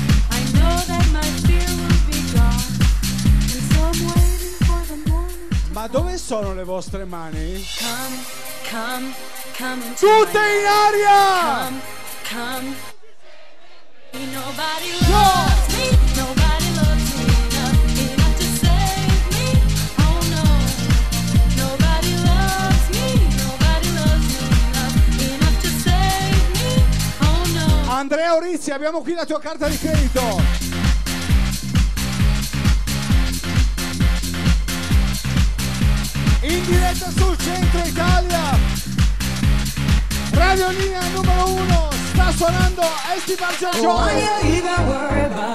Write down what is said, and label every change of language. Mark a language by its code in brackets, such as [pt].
[en] I know that my fear will be gone, and so I'm waiting for the morning. [it] Ma dove sono le vostre mani? Come tutte in aria! Come. [en] Nobody loves me. Nobody loves me enough, enough to save me. Oh no. Nobody loves me. Nobody loves me enough, enough to save me. Oh no. [it] Andrea Orizzi, abbiamo qui la tua carta di credito. In diretta sul Centro Italia. Radio Linea numero 1 sta suonando Esti Barcia Joy.